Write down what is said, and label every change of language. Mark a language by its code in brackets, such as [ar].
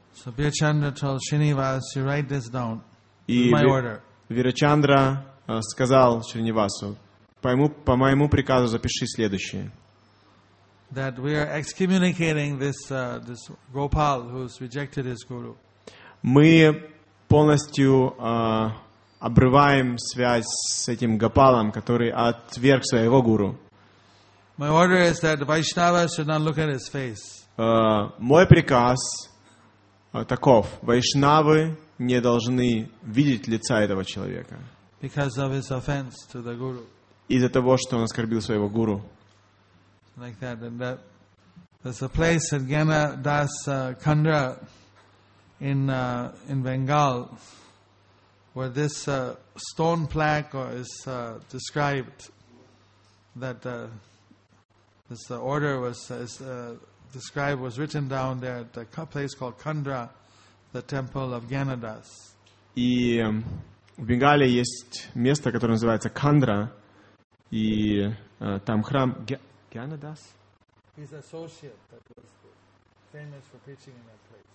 [en] So Birchandra told Srinivas, "You write this down." [ru] И Вирачандра сказал Шринивасу, по моему приказу запиши следующее. [en] That we are excommunicating this Gopal who's rejected his guru. [ru] Мы полностью обрываем связь с этим Гопалом, который отверг своего гуру. [en] My order is that Vaishnava should not look at his face. [ru] Мой приказ таков. Вайшнавы не должны видеть лица этого человека. [en] Because of his offense to the guru. [ru] Из-за того, что он оскорбил своего гуру. [en] Like that, and that there's a place in Gana Das Kandra in Bengal where this stone plaque is described that this order was described was written down there at a place called Kandra. The temple of Ganadas. [ru] И в Бенгале есть место, которое называется Кандра, и там храм Ганадас. [en] His associate that was famous for preaching in that place.